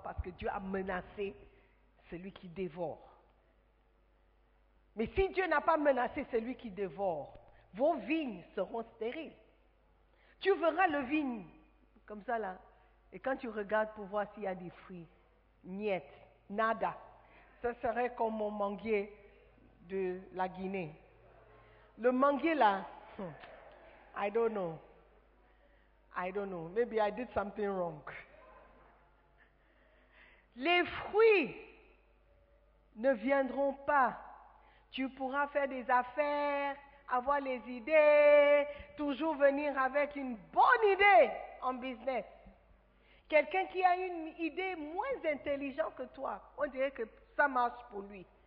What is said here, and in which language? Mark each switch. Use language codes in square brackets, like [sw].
[fr] Parce que Dieu a menacé celui qui dévore. Mais si Dieu n'a pas menacé celui qui dévore, vos vignes seront stériles. Tu verras le vigne comme ça là, et quand tu regardes pour voir s'il y a des fruits, niet, nada. Ça serait comme mon manguier de la Guinée. Le manguier là, [en] I don't know. I don't know. Maybe I did something wrong. [fr] Les fruits ne viendront pas. Tu pourras faire des affaires, avoir les idées, toujours venir avec une bonne idée en business. Quelqu'un qui a une idée moins intelligente que toi, on dirait que ça marche pour lui.